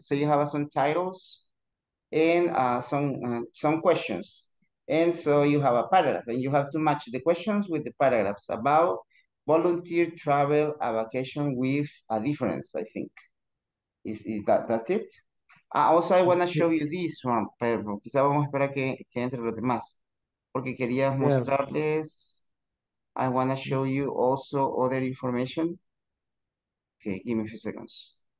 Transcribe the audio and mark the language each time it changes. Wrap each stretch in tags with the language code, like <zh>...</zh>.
<en>So you have some titles and some questions. And so you have a paragraph and you have to match the questions with the paragraphs about volunteer travel a vacation with a difference, I think. Is that that's it? Also, I want to show you this one, Pedro.</en> <es>Quizá vamos a esperar que entre los demás. Porque quería</es> <en>Yeah.</en> <es>mostrarles.</es> <en>I want to show you also other information. Okay, give me a few seconds.</en>